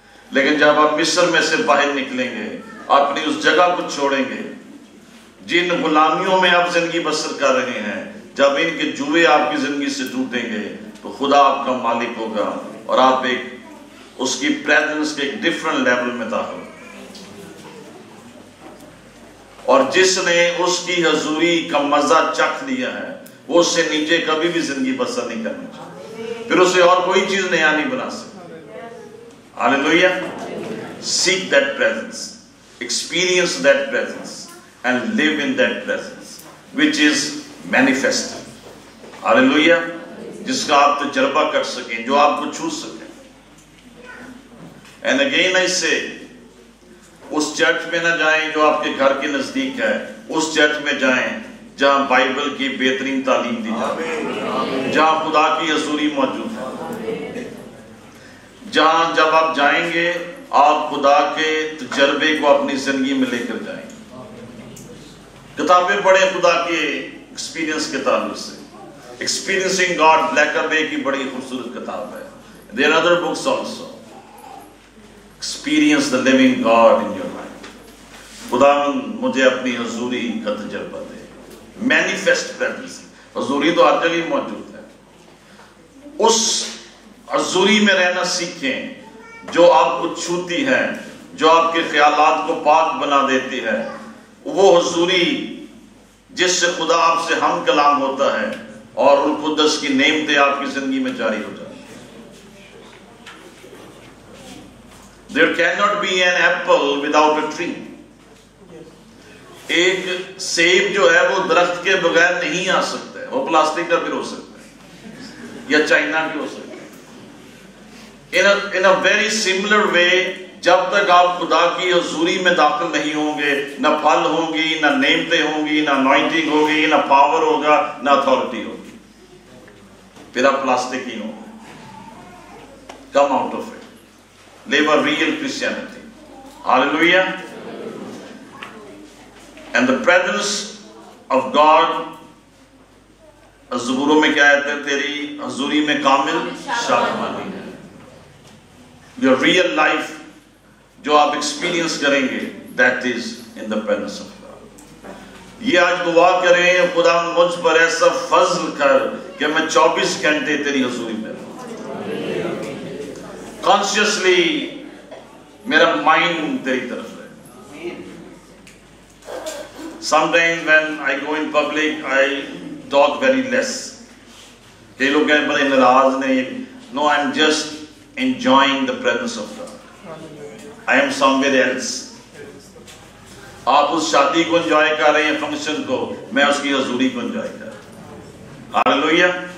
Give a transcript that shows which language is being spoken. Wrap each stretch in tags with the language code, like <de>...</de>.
<ur>لیکن جب آپ مصر میں سے باہر نکلیں گے, اپنی اس جگہ کو چھوڑیں گے جن غلامیوں میں آپ زندگی بسر کر رہے ہیں, جب ان کے جوئے آپ کی زندگی سے ٹوٹیں گے تو خدا آپ کا مالک ہوگا اور آپ ایک اس کی پریزنس کے ایک ڈیفرنٹ لیول میں داخل ہوں. اور جس نے اس کی حضوری کا مزہ چکھ لیا ہے وہ اس سے نیچے کبھی بھی زندگی بسر نہیں کرنا چاہتا, پھر اسے اور کوئی چیز نیا نہیں بنا سکتا.</ur> <en>Hallelujah. Seek that presence, experience that presence and live in that presence which is manifest. Hallelujah.</en> <ur>جس کا آپ تجربہ کر سکیں, جو آپ کو چھو سکیں.</ur> <en>And again I say,</en> <ur>اس church میں نہ جائیں جو آپ کے گھر کے نزدیک ہے, اس چرچ میں جائیں جہاں بائبل کی بہترین تعلیم دی جائے, جہاں خدا کی حضوری موجود ہے, جہاں جب آپ جائیں گے آپ خدا کے تجربے کو اپنی زندگی میں لے کر جائیں. کتابیں پڑھیں خدا کے ایکسپیرینس کے تعلق سے, ایکسپیرینسنگ گاڈ بلیکر بے کی بڑی خوبصورت کتاب ہے,</ur> <en>There other books also. Experience the living God in your life.</en> <ur>خدا مجھے اپنی حضوری کا تجربہ دے.</ur> <en>Manifest presence.</en> <ur>حضوری تو ہر جگہ موجود ہے. اس حضوری میں رہنا سیکھیں جو آپ کو چھوتی ہے, جو آپ کے خیالات کو پاک بنا دیتی ہے. وہ حضوری جس سے خدا آپ سے ہم کلام ہوتا ہے اور روح القدس کی نعمتیں آپ کی زندگی میں جاری ہو جاتی.</ur> <en>There cannot be an apple without a tree.</en> <ur>ایک سیب جو ہے وہ درخت کے بغیر نہیں آ سکتا ہے, وہ پلاسٹک کا بھی ہو سکتا ہے یا چائنا کی ہو سکتا ہے.</ur> <en>In a very similar way,</en> <ur>جب تک آپ خدا کی حضوری میں داخل نہیں ہوں گے, نہ پھل ہوں گی, نہ نعمتیں ہوں گی, نہ انوائنٹنگ ہوگی, نہ پاور ہوگا, نہ اتھارٹی ہوگی, پھر آپ پلاسٹک ہی ہوں گے.</ur> <en>Come out of it. Live a real Christianity. Hallelujah. And the presence of God,</en> <ur>زبوروں میں کیا آیت ہے, تیری حضوری میں کامل شادمانی.</ur> <en>Your real life,</en> <ur>جو آپ ایکسپیرینس کریں گے,</ur> <en>that is in the presence of God.</en> <ur>یہ آج دعا کریں, خدا مجھ پر ایسا فضل کر کہ میں 24 گھنٹے تیری حضوری میں رہوں.</ur> <en>Consciously,</en> <ur>میرا مائنڈ تیری طرف ہے.</ur> <en>Sometimes when I go in public, I talk very less.</en> <ur>کئی لوگ کہیں بڑے ناراض نہیں,</ur> <en>No I am just enjoying the presence of God, I am somewhere else.</en> <ur>آپ اس شادی کو انجوائے کر رہے ہیں, فنکشن کو, میں اس کی حضوری کو انجوائے کر رہا ہوں.</ur> <en>Hallelujah.</en>